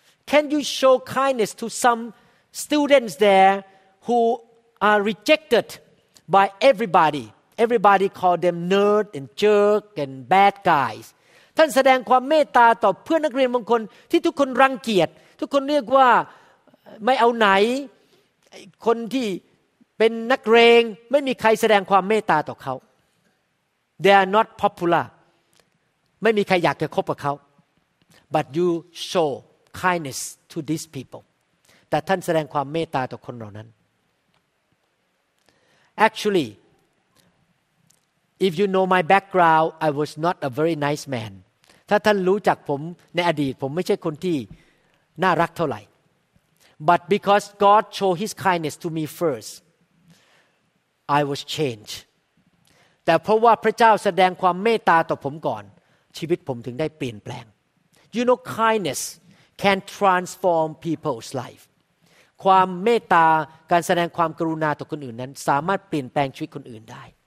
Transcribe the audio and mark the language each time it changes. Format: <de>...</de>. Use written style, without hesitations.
<en>Can you show kindness to some students there who are rejected? By everybody. Everybody call them nerd and jerk and bad guys.</en> <th>ท่านแสดงความเมตตาต่อเพื่อนนักเรียนบางคนที่ทุกคนรังเกียจทุกคนเรียกว่าไม่เอาไหนคนที่เป็นนักเลงไม่มีใครแสดงความเมตตาต่อเขา</th> <en>They are not popular.</en> <th>ไม่มีใครอยากจะคบกับเขา</th> <en>But you show kindness to these people.</en> <th>แต่ท่านแสดงความเมตตาต่อคนเหล่านั้น</th> <en>Actually, if you know my background, I was not a very nice man.</en> <th>ถ้าท่านรู้จักผมในอดีตผมไม่ใช่คนที่น่ารักเท่าไหร่</th> <en>But because God showed His kindness to me first, I was changed.</en> <th>แต่เพราะว่าพระเจ้าแสดงความเมตตาต่อผมก่อนชีวิตผมถึงได้เปลี่ยนแปลง</th> <en>You know, kindness can transform people's life.</en> <th>ความเมตตาการแสดงความกรุณาต่อคนอื่นนั้นสามารถเปลี่ยนแปลงชีวิตคนอื่นได้</th>